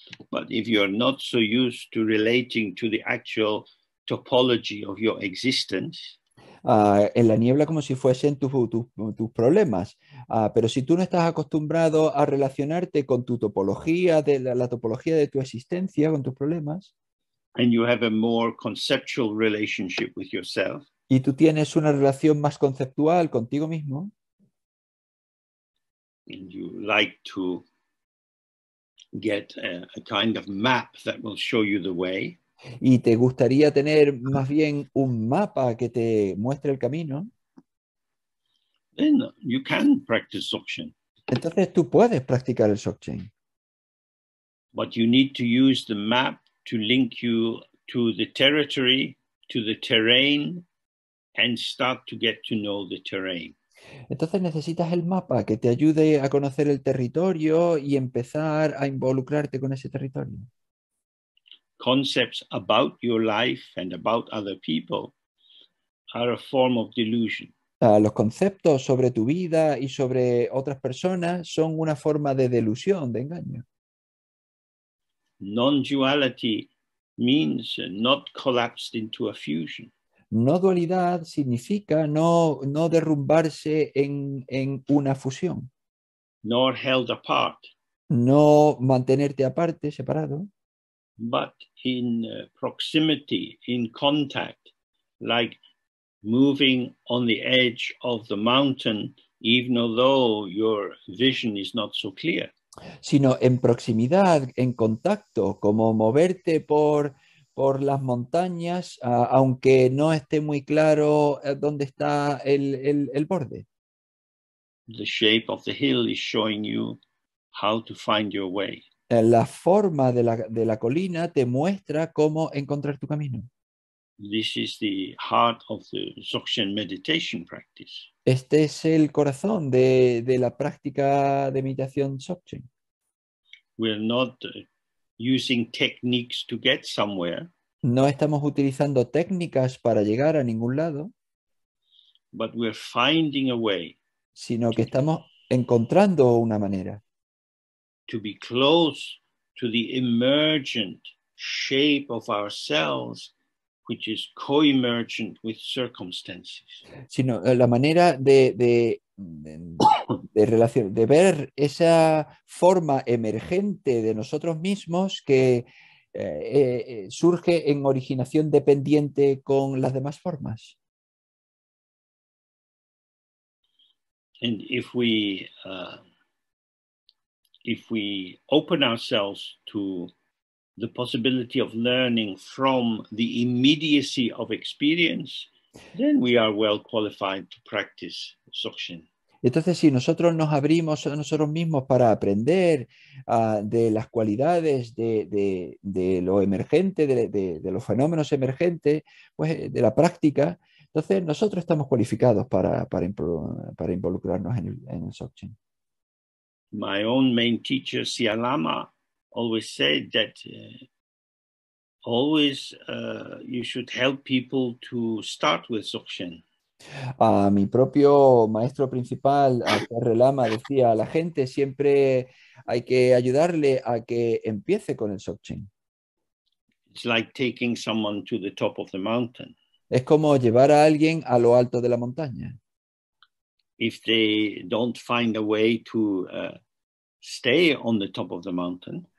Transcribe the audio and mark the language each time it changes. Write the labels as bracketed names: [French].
[English] But if you are not so used to relating to the actual topology of your existence, [Spanish] En la niebla como si fuesen tus problemas. Pero si tú no estás acostumbrado a relacionarte con tu topología, de la topología de tu existencia, con tus problemas, [English] and you have a more conceptual relationship with yourself, [Spanish] y tú tienes una relación más conceptual contigo mismo, [English] and you like to get a kind of map that will show you the way. [Spanish] y te gustaría tener más bien un mapa que te muestre el camino, [English] Then you can practice Dzogchen. [Spanish] entonces tú puedes practicar el Dzogchen. [English] But you need to use the map to link you to the territory, to the terrain, and start to get to know the terrain. [Spanish] Entonces necesitas el mapa que te ayude a conocer el territorio y empezar a involucrarte con ese territorio. [English] Concepts about your life and about other people are a form of delusion. [Spanish] Los conceptos sobre tu vida y sobre otras personas son una forma de delusión, de engaño. [English] Non-duality means not collapsed into a fusion. [Spanish] No dualidad significa no derrumbarse en una fusión. [English] Nor held apart. [Spanish] No mantenerte aparte, separado. [English] But in proximity, in contact, like moving on the edge of the mountain, even although your vision is not so clear. [Spanish] Sino en proximidad, en contacto, como moverte por las montañas, aunque no esté muy claro dónde está el borde. [English] The shape of the hill is showing you how to find your way. [Spanish] La forma de la colina te muestra cómo encontrar tu camino. [English] This is the heart of the Dzogchen meditation practice. [Spanish] Este es el corazón de la práctica de meditación Dzogchen. [English] We are not using techniques to get somewhere. [Spanish] No estamos utilizando técnicas para llegar a ningún lado, [English] But we're finding a way [Spanish] sino que estamos encontrando una manera. [English] to be close to the emergent shape of ourselves, which is co-emergent with circumstances. [Spanish] Sino la manera de ver esa forma emergente de nosotros mismos que surge en originación dependiente con las demás formas. [English] And if we open ourselves to the possibility of learning from the immediacy of experience, then we are well qualified to practice Dzogchen. [Spanish] Entonces, si nosotros nos abrimos a nosotros mismos para aprender de las cualidades de lo emergente, de los fenómenos emergentes, pues de la práctica, entonces nosotros estamos cualificados para involucrarnos en el Dzogchen. [English] My own main teacher, Sialama, always said that always you should help people to start with Dzogchen. [Spanish] A mi propio maestro principal, a Sierra Lama, decía, a la gente siempre hay que ayudarle a que empiece con el Dzogchen. [English] It's like taking someone to the top of the mountain. [Spanish] Es como llevar a alguien a lo alto de la montaña. [English] If they don't find a way to stay on the top of the mountain,